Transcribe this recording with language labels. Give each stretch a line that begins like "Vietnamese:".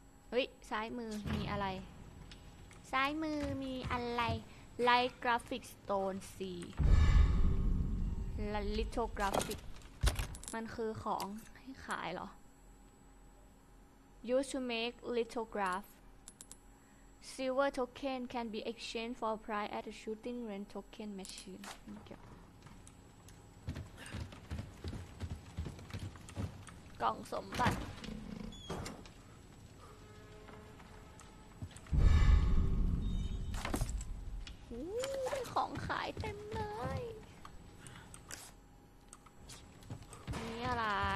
Thai: เฮ้ยซ้ายมือมีอะไรซ้ายมือมีอะไร Light Graphic Stone 4 Lithographic มันคือของให้ขายหรอ
English: Use to make lithograph. Silver token can be exchanged for prize at a shooting range token machine. Thank you.
Thai: กล่องสมบัติ มีของขายเต็มเลย นี่อะไร